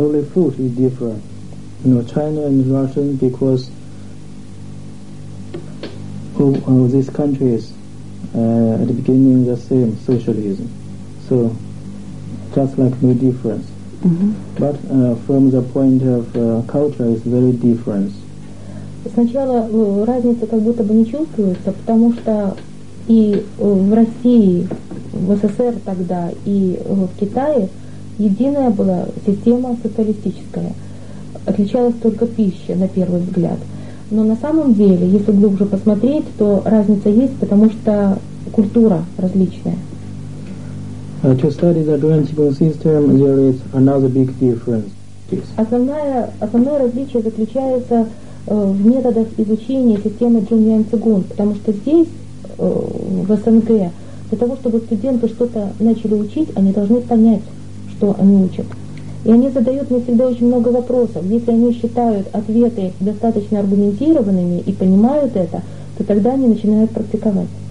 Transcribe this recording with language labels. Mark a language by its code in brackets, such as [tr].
[en] Only food is different. You know, China and Russian, because all these countries at the beginning the same socialism. So just like no difference. But from the point of culture, it's very different. [ru] Сначала разница как будто бы не чувствуется, потому что и в России, в СССР тогда, и в Китае единая была система социалистическая. Отличалась только пища, на первый взгляд. Но на самом деле, если глубже посмотреть, то разница есть, потому что культура различная. [en] To study the Dual Qigong system, there is another big difference. [ru] Основное различие заключается в методах изучения системы Джун Ян Цигун, потому что здесь, в СНГ, для того, чтобы студенты что-то начали учить, они должны понять, что они учат. И они задают мне всегда очень много вопросов. Если они считают ответы достаточно аргументированными и понимают это, то тогда они начинают практиковать.